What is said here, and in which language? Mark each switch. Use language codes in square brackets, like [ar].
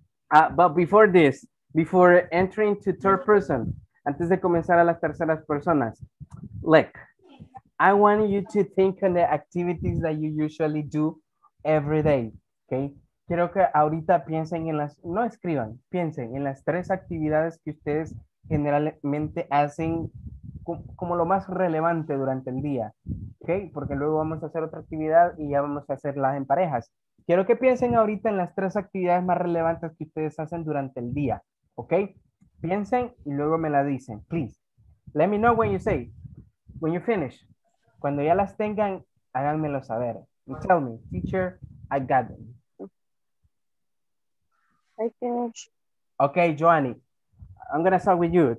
[en] But before this, before entering to third person, [es] antes de comenzar a las terceras personas, [en] look, I want you to think on the activities that you usually do every day, okay? [es] quiero que ahorita piensen en las, no escriban, piensen en las tres actividades que ustedes generalmente hacen como lo más relevante durante el día, ¿ok? Porque luego vamos a hacer otra actividad y ya vamos a hacerlas en parejas. Quiero que piensen ahorita en las tres actividades más relevantes que ustedes hacen durante el día, ¿ok? Piensen y luego me la dicen, please. [en] Let me know when you say, when you finish. [es] Cuando ya las tengan, háganmelo saber. [en] And tell me, teacher, I got them. I finish. Okay, Joanny, I'm gonna start with you.